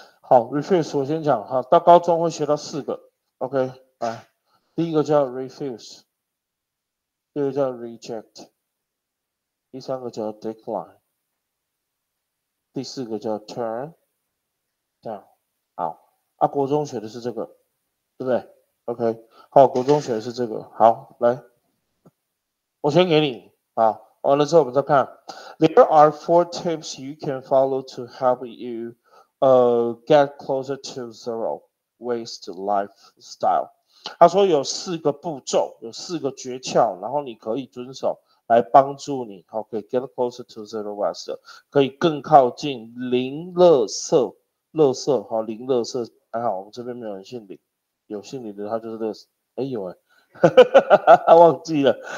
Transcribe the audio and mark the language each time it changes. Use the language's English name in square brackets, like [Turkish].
[Chinese] 好，refuse 我先讲。好，到高中会学到四个。OK，来，第一个叫 refuse，第二个叫 reject，第三个叫 decline，第四个叫 turn down。啊，国中学的是这个，对不对？OK，好，国中学的是这个。好，来，我先给你。好，完了之后我们再看。 [English] There are four tips you can follow to help you, get closer to zero waste lifestyle。 [Chinese] 他说有四个步骤，有四个诀窍，然后你可以遵守来帮助你。 OK， [English] get closer to zero waste， [Chinese] 可以更靠近零垃圾，垃圾好，零垃圾。还好我们这边没有人姓李，有姓李的他就是垃圾。哎有哎，忘记了。